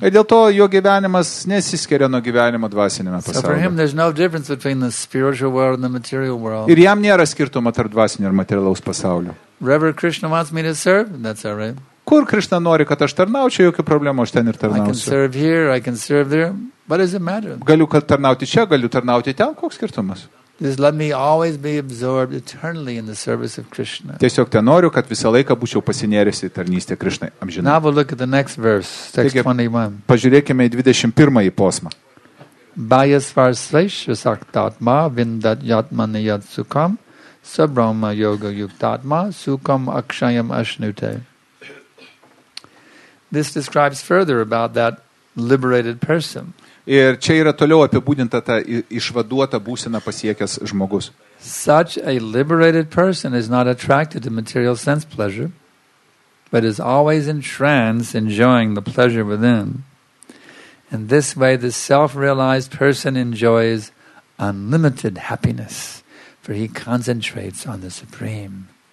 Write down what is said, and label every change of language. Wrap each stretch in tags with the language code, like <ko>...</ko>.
<lt>Ir dėl to jo gyvenimas nesiskiria nuo gyvenimo dvasiniame pasaulyje.</lt> <en>So for him there's no difference between the spiritual world and the material world.</en> <lt>Ir jam nėra skirtumo tarp dvasinio ir materialaus pasaulio.</lt> <en>Wherever Krishna wants me to serve, that's all right.</en> <lt>Kur Krishna nori, kad aš tarnaučiau, jokių problemų, aš ten ir tarnausiu.</lt> <en>I can serve here, I can serve there. What does it matter?</en> <lt>Galiu tarnauti čia, galiu tarnauti ten, koks skirtumas?</lt> <en>Just let me always be absorbed eternally in the service of Krishna.</en> <lt>Tiesiog te noriu, kad visą laiką būčiau pasinėręs į tarnystę Krishnai amžinai.</lt> <en>Now we'll look at the next verse, text 21.</en> <lt>Pažiūrėkime į 21-ąjį posmą.</lt> <sa>Bhayasvarsvaishya saktatma vindatyatmane yatsukam sabrahma yoga yuktatma sukam akshayam ashnute.</sa> <en>This describes further about that liberated person.</en> <lt>Ir čia yra toliau apibūdinta ta išvaduota būsena pasiekęs žmogus.</lt> <en>Such a liberated person is not attracted to material sense pleasure, but is always in trance enjoying the pleasure within. In this way, the self-realized person enjoys unlimited happiness, for he concentrates on the Supreme.</en>